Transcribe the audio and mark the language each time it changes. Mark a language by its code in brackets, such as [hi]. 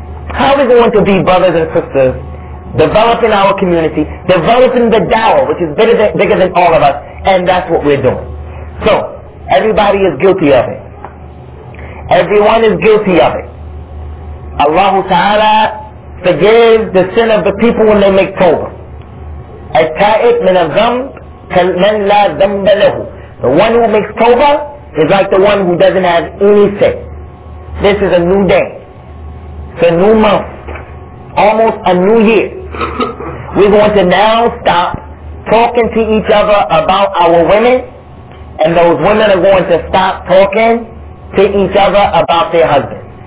[en] How are we going to be brothers and sisters, developing our community, developing the da'wah, which is bigger than all of us, and that's what we're doing. So, everybody is guilty of it. Everyone is guilty of it. Allah Ta'ala forgives the sin of the people when they make tawbah. [ar] التائب من الذنب كمن لا ذنب له. [en] The one who makes tawbah is like the one who doesn't have any sin. This is a new day. It's a new month. Almost a new year. We're going to now stop talking to each other about our women, and those women are going to stop talking to each other about their husbands.